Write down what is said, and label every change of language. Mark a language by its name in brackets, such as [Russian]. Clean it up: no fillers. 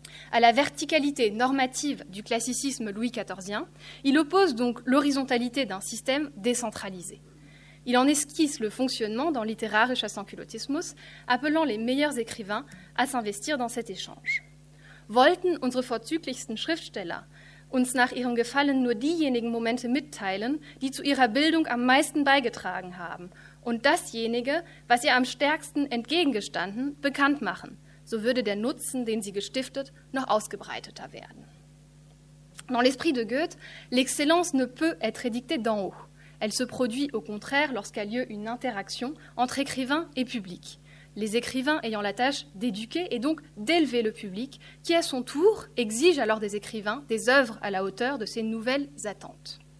[French] À la verticalité normative du classicisme Louis XIVien, il oppose donc l'horizontalité d'un système décentralisé. Il en esquisse le fonctionnement dans Literarischer Sansculottismus, appelant les meilleurs écrivains à s'investir dans cet échange. [German] Wollten unsere vorzüglichsten Schriftsteller uns nach ihrem Gefallen nur diejenigen Momente mitteilen, die zu ihrer Bildung am meisten beigetragen haben, und dasjenige, was ihr am stärksten entgegengestanden, bekannt machen, so würde der Nutzen, den sie gestiftet, noch ausgebreiteter werden. [French] Dans l'esprit de Goethe, l'excellence ne peut être édictée d'en haut. Elle se produit au contraire lorsqu'a lieu une interaction entre écrivains et public, les écrivains ayant la tâche d'éduquer et donc d'élever le public, qui à son tour exige alors des écrivains des œuvres à la hauteur de ces nouvelles attentes.